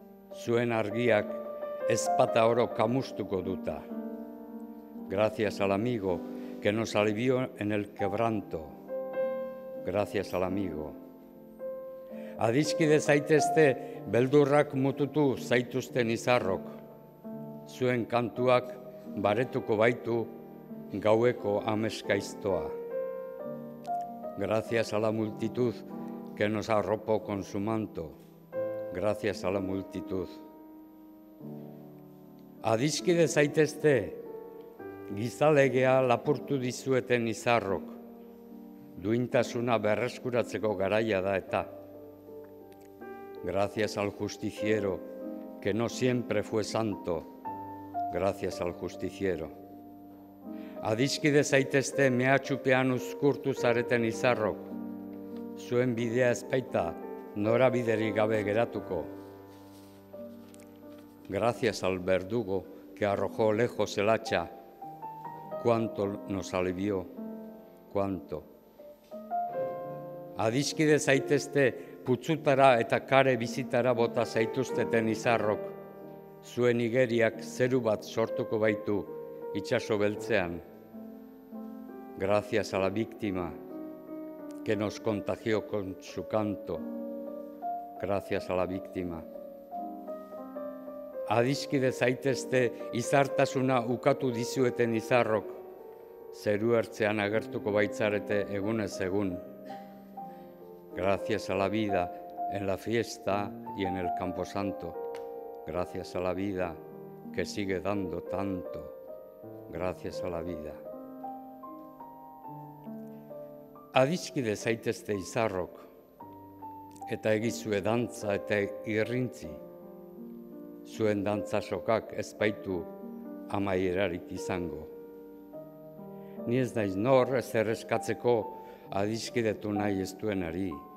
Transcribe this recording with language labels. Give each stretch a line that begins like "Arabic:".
Basque: Zuen argiak ezpata oro kamustuko duta.
Spanish: Gracias al amigo que nos alivió en el quebranto. Gracias al amigo.
Basque: Adiskide zaitezte beldurrak mututu zaituzten izarrok. Zuen kantuak baretuko baitu gaueko ameskaiztoa.
Spanish: Gracias a la multitud que nos arropó con su manto. Gracias a la multitud.
Basque: Adiskide zaitezte gizalegea lapurtu dizueten izarrok. Duintasuna berreskuratzeko garaia da eta.
Spanish: Gracias al justiciero que no siempre fue santo. Gracias al justiciero.
Basque: Adiskide zaitezte mehatxupean uzkurtu zareten izarrok. Zuen bidea ezpaita norabideri gabe geratuko.
Spanish: Gracias al verdugo que arrojó lejos el hacha. Cuánto nos alivió, cuánto.
Basque: Adiskide zaitezte putzutara eta kare bizitara bota zaituzteten izarrok. Zuen igeriak zeru bat sortuko baitu itsaso beltzean.
Spanish: Gracias a la víctima que nos contagió con su canto. Gracias a la víctima.
Basque: Adiskide zaitezte izartasuna ukatu dizueten izarrok. Zeru ertzean agertuko baitzarete egunez egun.
Spanish: Gracias a la vida en la fiesta y en el camposanto. Gracias a la vida que sigue dando tanto. Gracias a la vida.
Basque: Adiskide zaitezte izarrok, eta egizue dantza eta irrintzi. Zuen dantza sokak ez baitu amaierarik izango. Ni ez naiz nor ez erreskatzeko adiskidetu nahi ez duenari.